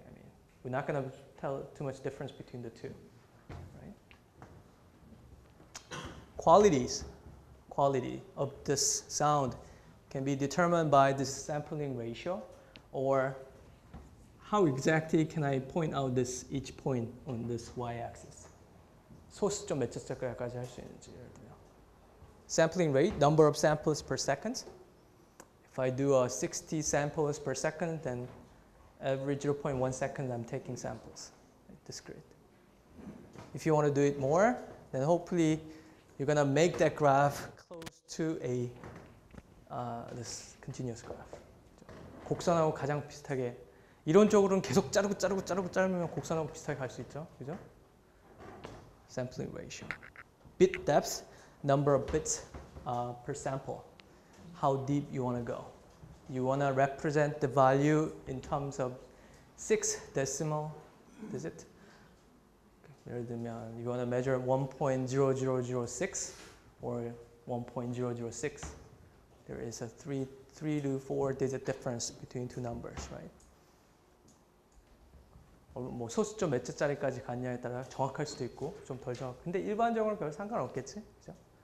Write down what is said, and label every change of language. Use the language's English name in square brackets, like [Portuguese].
[English] I mean, we're not going to tell too much difference between the two, right? Quality of this sound can be determined by this sampling ratio or how exactly can I point out this each point on this y-axis? [Korean] 소수 좀 몇 자짜리까지 할 수 있는지 예를 들면 [English] sampling rate, number of samples per second. If I do 60 samples per second, then every 0.1 second I'm taking samples, discrete. If you want to do it more, then hopefully you're gonna make that graph close to this continuous graph. [Korean] 곡선하고 가장 비슷하게. 이론적으로는 계속 자르고 자르고 자르고 자르면 곡선하고 비슷하게 갈 수 있죠, 그죠? [English] Sampling ratio. Bit depth, number of bits per sample. How deep you want to go. You want to represent the value in terms of 6 decimal digit. [Korean] 예를 들면, [English] you want to measure 1.0006 or 1.006. There is a 3 to 4 digit difference between two numbers, right? [Korean] 뭐 소수점 몇 자짜리까지 갔냐에 따라 정확할 수도 있고 좀 덜 정확. 근데 일반적으로 별 상관없겠지, 그죠?